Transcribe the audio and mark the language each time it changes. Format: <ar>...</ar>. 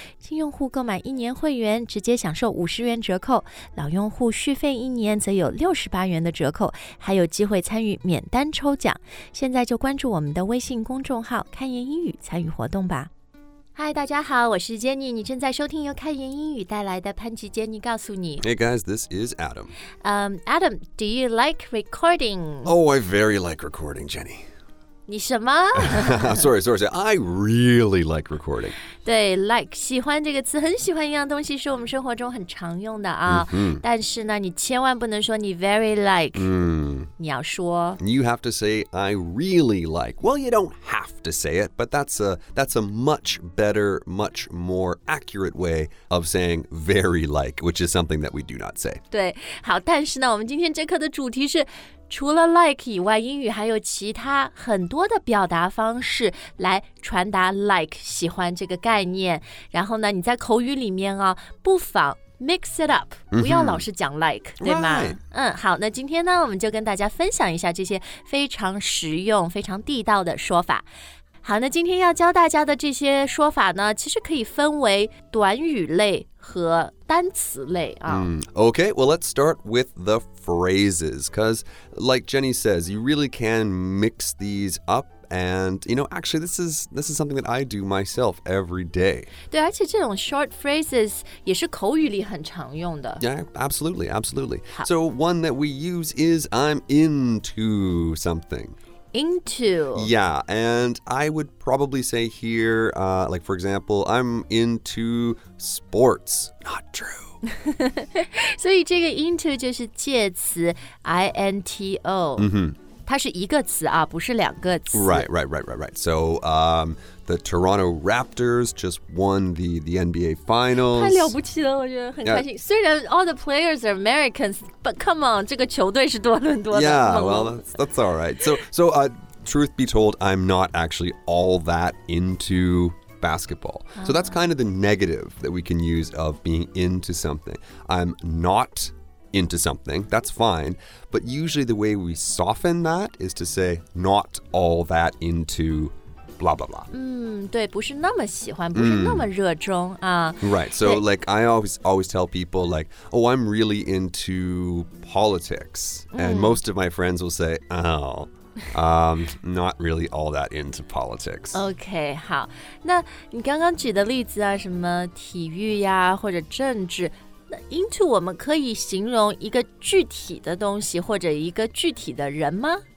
<zh>新用户购买一年会员，直接享受50元折扣；老用户续费一年，则有68元的折扣，还有机会参与免单抽奖。现在就关注我们的微信公众号“开言英语”，参与活动吧。</zh> <en>Hi,</en> <zh>大家好，我是 Jenny, 你正在收听由开言英语带来的潘吉 Jenny 告诉你。</zh> <en>Hey guys, this is Adam. Adam, do you like recording? Oh, I very like recording, Jenny.</en> <zh>你什么?</zh> <en>sorry, I really like recording.</en> <zh>对, like, 喜欢这个词,很喜欢一样东西是我们生活中很常用的啊。 Mm-hmm. 但是呢,你千万不能说你 very like,、 mm. 你要说。</zh> <en>You have to say, I really like. Well, you don't have to say it, but that's a much better, much more accurate way of saying very like, which is something that we do not say.</en> <zh>对,好,但是呢,我们今天这课的主题是除了 like 以外，英语还有其他很多的表达方式来传达 like 喜欢这个概念。然后呢，你在口语里面啊，不妨</zh> <en>mix it up，</en> <zh>不要老是讲 like，、 mm-hmm. 对吗？</zh> <en>Right.</en> <zh>嗯，好，那今天呢，我们就跟大家分享一下这些非常实用、非常地道的说法。好，那今天要教大家的这些说法呢，其实可以分为短语类和单词类啊。</zh> <en>Okay, well, let's start with the phrases, because like Jenny says, you really can mix these up, and, you know, actually, this is something that I do myself every day.</en> <zh>对，而且这种</zh> <en>short phrases</en> <zh>也是口语里很常用的。</zh> <en>Yeah, absolutely. So one that we use is I'm into something. Into. Yeah, and I would probably say here, like for example, I'm into sports. Not true.</en> <zh>所以这个 into 就是介词 ,into.、 Mm-hmm. 它是一个词啊不是两个词。</zh> <en>Right. So, the Toronto Raptors just won the NBA Finals.</en> <zh>太了不起了我觉得很开心。</zh> <en>Yeah.</en> <zh>虽然</zh> <en>all the players are Americans, but come on,</en> <zh>这个球队是多伦多的。</zh> <en>Yeah, well, that's all right. So, truth be told, I'm not actually all that into basketball. So that's kind of the negative that we can use of being into something. I'm not into something, that's fine. But usually the way we soften that is to say not all that into basketball. Blah, blah, blah.</en> <zh>对,不是那么喜欢,不是那么热衷啊。</zh> <en>Right, so like I always tell people like, oh, I'm really into politics. And most of my friends will say, not really all that into politics. Okay,</en> <zh>好。那你刚刚举的例子啊,什么体育呀,或者政治。 Into 我们可以形容一个具体的东西或者一个具体的人吗?</zh>